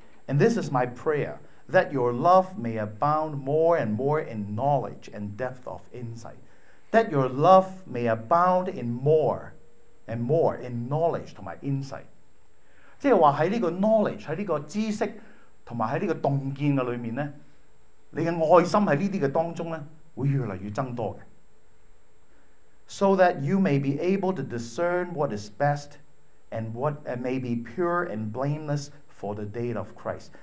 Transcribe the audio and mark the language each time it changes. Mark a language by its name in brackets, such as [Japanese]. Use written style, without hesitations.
[English] And this is my prayer, that your love may abound more and more in knowledge and depth of insight. That your love may abound in more and more in knowledge [Chinese] 和 [English] insight. [Chinese] 即是說在這個 knowledge, 在這個知識和在這個洞見的裡面呢，你的愛心在這些當中呢會越來越增多的。 [English] So that you may be able to discern what is best,and what may be pure and blameless for the day of Christ.